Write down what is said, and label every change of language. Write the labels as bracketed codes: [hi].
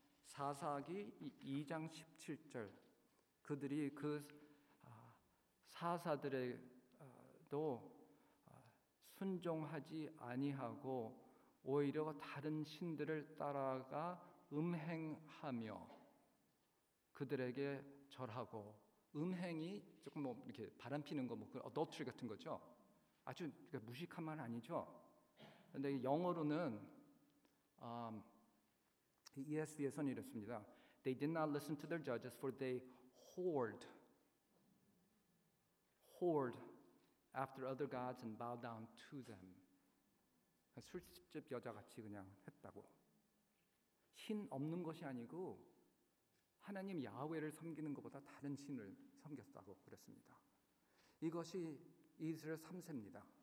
[ko] 사사기 2장 17절 그들이 그 사사들에도 순종하지 아니하고 오히려 다른 신들을 따라가 음행하며 그들에게 절하고 음행이 조금 뭐 이렇게 바람 피는 거 뭐 adultery 같은 거죠. 아주 무식한 말 아니죠. 그런데 영어로는 ESV에서는 이랬습니다. [en] They did not listen to their judges for they whored after other gods and bowed down to them. [ko] 술집 여자같이 그냥 했다고. 신 없는 것이 아니고 하나님 야훼를 섬기는 것보다 다른 신을 섬겼다고 그랬습니다. 이것이 이스라엘 3세입니다.